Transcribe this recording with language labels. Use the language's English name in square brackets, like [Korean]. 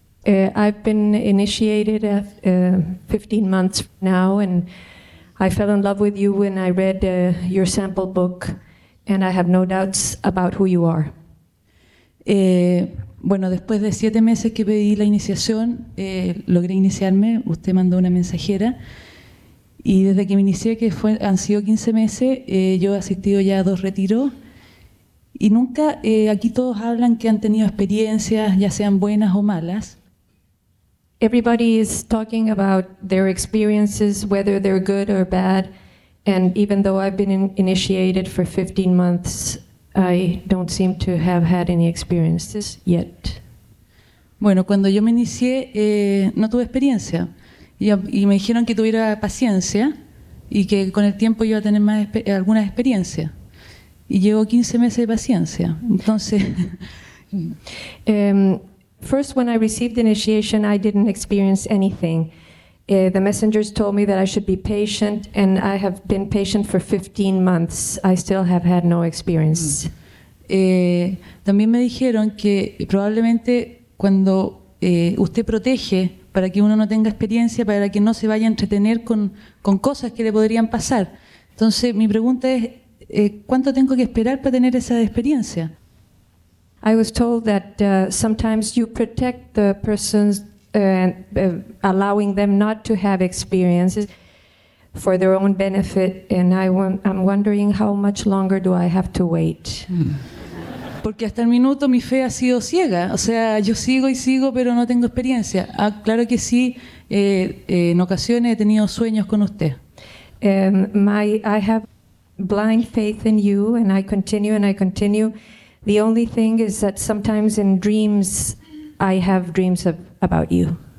[English] I've been initiated 15 months now, and I fell in love with you when I read your sample book, and I have no doubts about who you are. [Spanish] Bueno, después de 7 meses que pedí la iniciación, logré iniciarme. Usted mandó una mensajera. Y desde que me inicié, que fue, han sido 15 meses, yo he asistido ya a 2 retiros. Y nunca, aquí todos hablan que han tenido experiencias, ya sean buenas o malas. [English] Everybody is talking about their experiences, whether they're good or bad. And even though I've been initiated for 15 months, I don't seem to have had any experiences yet. [Spanish] Bueno, cuando yo me inicié, no tuve experiencia. Y me dijeron que tuviera paciencia y que con el tiempo iba a tener más alguna experiencia. Y llevo 15 meses de paciencia. Entonces... [English] First, when I received initiation, I didn't experience anything. The messengers told me that I should be patient, and I have been patient for 15 months. I still have had no experience. [Spanish] También me dijeron que probablemente cuando usted protege para que uno no tenga experiencia, para que no se vaya a entretener con cosas que le podrían pasar. Entonces, mi pregunta es, ¿cuánto tengo que esperar para tener esa experiencia? [English] I was told that sometimes you protect the persons and allowing them not to have experiences for their own benefit, and I'm wondering how much longer do I have to wait? [Spanish] Porque hasta el minuto mi fe ha sido ciega, o sea, yo sigo y sigo, pero no tengo experiencia. Ah, claro que sí, en ocasiones he tenido sueños con usted. [English] I have blind faith in you, and I continue and I continue. The only thing is that sometimes in dreams, I have dreams of, about you.